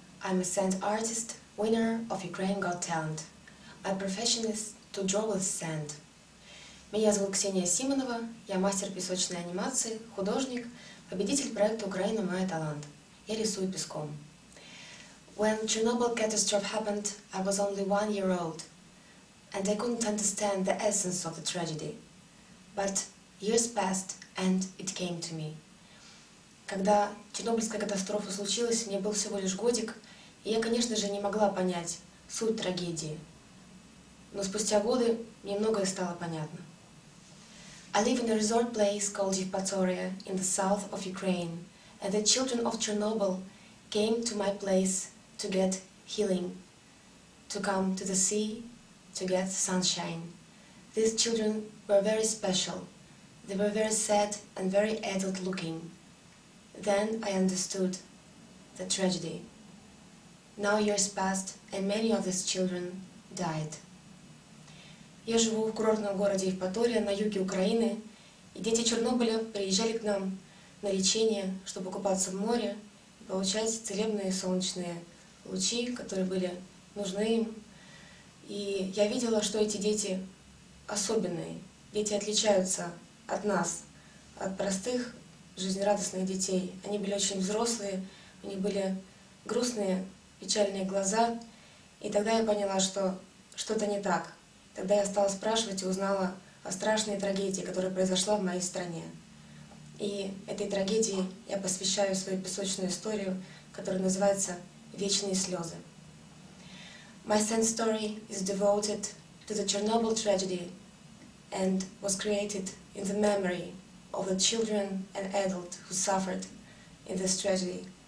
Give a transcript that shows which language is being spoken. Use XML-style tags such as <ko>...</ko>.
<en>I'm a sand artist, winner of Ukraine Got Talent. My profession is to draw with sand.</en> <ru>Меня зовут Ксения Симонова, я мастер песочной анимации, художник, победитель проекта «Украина – мой талант». Я рисую песком.</ru> <en>When Chernobyl catastrophe happened, I was only 1 year old, and I couldn't understand the essence of the tragedy. But years passed, and it came to me.</en> <ru>Когда Чернобыльская катастрофа случилась, мне был всего лишь годик, и я, конечно же, не могла понять суть трагедии. Но спустя годы мне многое стало понятно.</ru> <en>I live in a resort place called Евпатория in the south of Ukraine, and the children of Chernobyl came to my place to get healing, to come to the sea, to get sunshine. These children were very special. They were very sad and very adult looking. Then I understood the tragedy. Now years passed and many of these children died.</en> <ru>Я живу в курортном городе Евпатория на юге Украины, и дети Чернобыля приезжали к нам на лечение, чтобы купаться в море и получать целебные солнечные лучи, которые были нужны им. И я видела, что эти дети особенные. Дети отличаются от нас, от простых жизнерадостных детей. Они были очень взрослые, у них были грустные, печальные глаза. И тогда я поняла, что что-то не так. Тогда я стала спрашивать и узнала о страшной трагедии, которая произошла в моей стране. И этой трагедии я посвящаю свою песочную историю, которая называется «Вечные слёзы».</ru> <en>My sand story is devoted to the Chernobyl tragedy and was created in the memory of the children and adults who suffered in this tragedy.</en>